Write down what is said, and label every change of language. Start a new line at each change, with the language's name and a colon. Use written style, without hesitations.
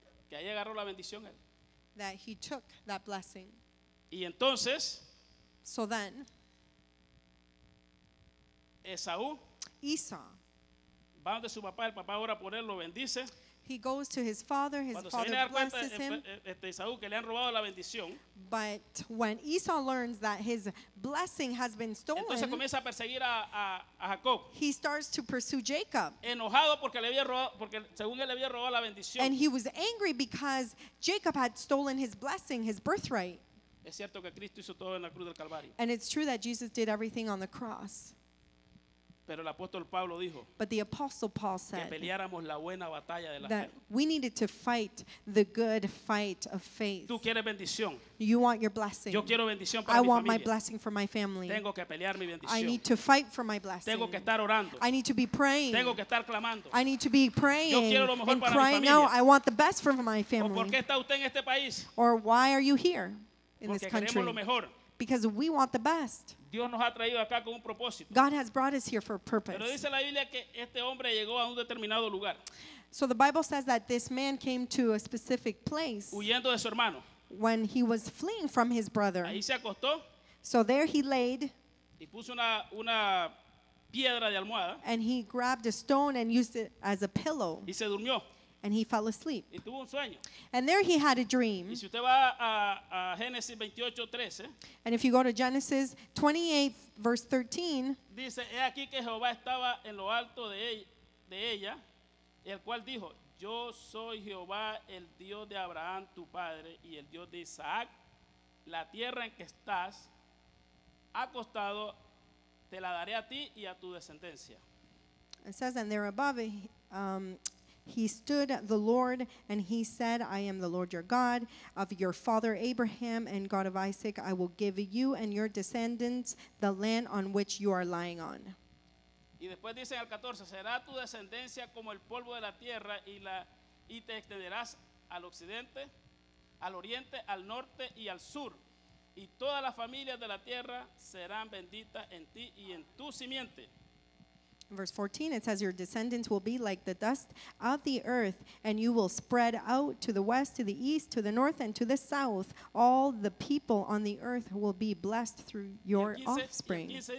Spanish: Que ahí agarró la bendición, él.
English: That he took that blessing.
Spanish: Y entonces,
English: so then.
Spanish: Esaú.
English: Esau.
Spanish: Va donde su papá. El papá ora por él, lo bendice.
English: He goes to his father. His
Spanish: cuando
English: father blesses
Spanish: cuenta,
English: him.
Spanish: Esaú, que le han robado la bendición,
English: but when Esau learns that his blessing has been stolen,
Spanish: entonces comienza a perseguir a Jacob.
English: He starts to pursue Jacob.
Spanish: Enojado porque le había robado, porque según él le había robado la bendición.
English: And he was angry because Jacob had stolen his blessing, his birthright.
Spanish: Es cierto que Cristo hizo todo en la cruz del Calvario.
English: And it's true that Jesus did everything on the cross.
Spanish: Pero el apóstol Pablo dijo,
English: but the apostle Paul said,
Spanish: que peleáramos la buena batalla de la
English: that
Spanish: fe.
English: We needed to fight the good fight of faith.
Spanish: Tú quieres bendición.
English: You want your blessing.
Spanish: Yo quiero bendición para
English: I
Spanish: mi
English: want
Spanish: familia.
English: My blessing for my family.
Spanish: Tengo que pelear mi bendición.
English: I need to fight for my blessing.
Spanish: Tengo que estar orando.
English: I need to be praying.
Spanish: Tengo que estar clamando.
English: I need to be praying.
Spanish: Yo quiero lo mejor
English: and
Spanish: para
English: crying
Spanish: mi familia.
English: Out, I want the best for my family.
Spanish: ¿O por qué está usted en este país?
English: Or why are you here in
Spanish: Porque
English: this country?
Spanish: Queremos lo mejor.
English: Because we want the best.
Spanish: Dios nos ha traído acá con un propósito.
English: God has brought us here for a purpose.
Spanish: Pero dice la Biblia que este hombre llegó a un determinado lugar.
English: So the Bible says that this man came to a specific place.
Spanish: Huyendo de su hermano.
English: When he was fleeing from his brother.
Spanish: Ahí se acostó.
English: So there he laid.
Spanish: Y puso una piedra de almohada.
English: And he grabbed a stone and used it as a pillow.
Spanish: Y se durmió.
English: And he fell asleep.
Spanish: Y tuvo un sueño.
English: And there he had a dream.
Spanish: Y si usted va a Génesis 28, 13,
English: and if you go to Genesis 28, verse 13,
Spanish: dice, he aquí que Jehová estaba en lo alto de ella, el cual dijo, yo soy Jehová, el Dios de Abraham, tu padre, y el Dios de Isaac. La tierra en que estás acostado te la daré a ti y a tu descendencia.
English: It says, and there above he stood the Lord, and he said, I am the Lord your God, of your father Abraham, and God of Isaac. I will give you and your descendants the land on which you are lying on.
Spanish: Y después dice en el 14, será tu descendencia como el polvo de la tierra, y te extenderás al occidente, al oriente, al norte y al sur. Y todas las familias de la tierra serán benditas en ti y en tu simiente.
English: Verse 14, it says, your descendants will be like the dust of the earth, and you will spread out to the west, to the east, to the north, and to the south. All the people on the earth will be blessed through your offspring.